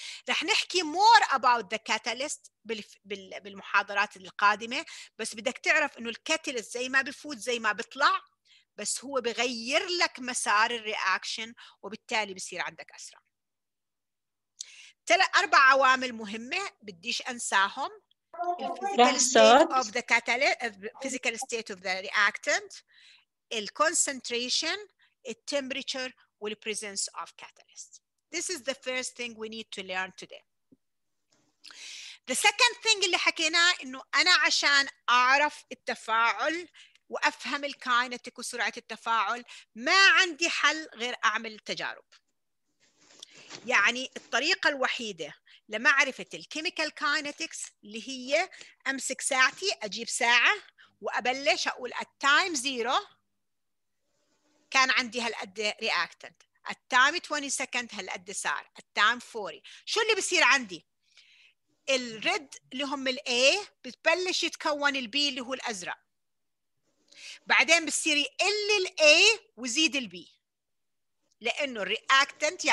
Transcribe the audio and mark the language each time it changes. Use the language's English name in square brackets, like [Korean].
[Arabic] رح نحكي [English] more about the catalyst [Arabic] بالمحاضرات القادمة, بس بدك تعرف انه الكاتاليست زي ما بفوت زي ما بطلع, بس هو بغير لك مسار الرياكشن وبالتالي بصير عندك أسرع. تلات أربع عوامل مهمة بديش أنساهم. [English] الphysical state of the catalyst, physical state of the reactant, the concentration, the temperature, and the presence of catalyst. This is the first thing we need to learn today. The second thing [Arabic] اللي حكيناه إنه أنا عشان أعرف التفاعل وأفهم الكاينتيك وسرعة التفاعل ما عندي حل غير أعمل تجارب. يعني الطريقة الوحيدة لمعرفة الكيميكال كاينتيكس اللي هي أمسك ساعتي, أجيب ساعة وأبلش أقول [English] at time zero [Arabic] كان عندي هالقد reactant, [English] at time 20 second [Arabic] هالقد صار, [English] at time 40 [Arabic] شو اللي بصير عندي؟ الريد اللي هم الـ A بتبلش يتكون الـ B اللي هو الأزرق, بعدين بصير يقل الـ A وزيد الـ B, لأنه reactant.